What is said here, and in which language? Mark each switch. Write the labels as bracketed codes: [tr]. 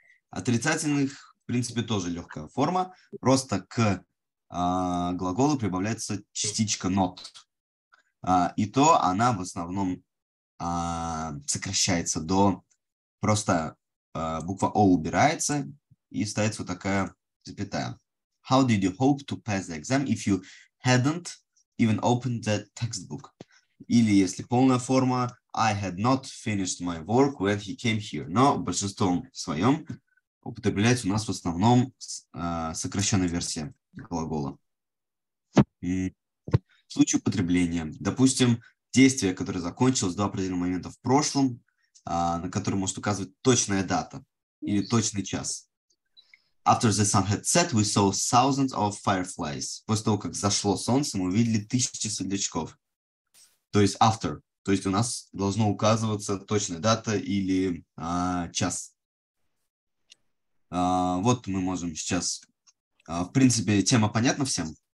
[ru] Отрицательных, в принципе, тоже легкая форма. Просто к глаголу прибавляется частичка not. И то она в основном сокращается до... Просто буква O убирается и ставится вот такая запятая. [en] How did you hope to pass the exam if you hadn't even opened the textbook? [ru] Или если полная форма, [en] I had not finished my work when he came here. [ru] Но большинство своем употребляется у нас в основном сокращенная версия глагола. В случае употребления, допустим, действие, которое закончилось до определенного момента в прошлом, на который может указывать точная дата или точный час. [en] After the sun had set, we saw thousands of fireflies. [ru] После того, как зашло солнце, мы увидели тысячи светлячков. То есть after. То есть у нас должно указываться точная дата или час. Вот мы можем сейчас... в принципе, тема понятна всем?